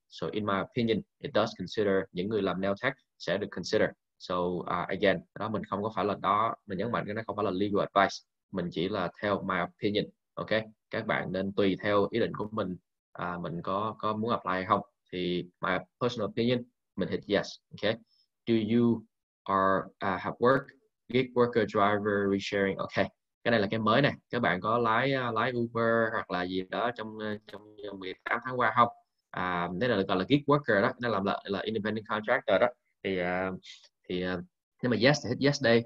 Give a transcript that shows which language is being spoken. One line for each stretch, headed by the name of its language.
English: So in my opinion, it does consider
Vietnamese: những người làm
English: nail tech
Vietnamese: sẽ được
English: consider.
Vietnamese: So again, đó mình không có phải là đó, mình nhấn mạnh cái này không phải là legal advice. Mình chỉ là theo
English: my opinion.
Vietnamese: Ok, các bạn nên tùy theo ý định của mình, mình có muốn apply hay không. Thì
English: my personal opinion,
Vietnamese: mình hit yes. Okay.
English: Do you are have work gig worker driver resharing?
Vietnamese: Okay. Cái này là cái mới này. Các bạn có lái Uber hoặc là gì đó trong 18 tháng qua không? Đây là gọi là gig worker đó. Nó là independent contractor đó. Thì nhưng mà yes thì hit yes đây.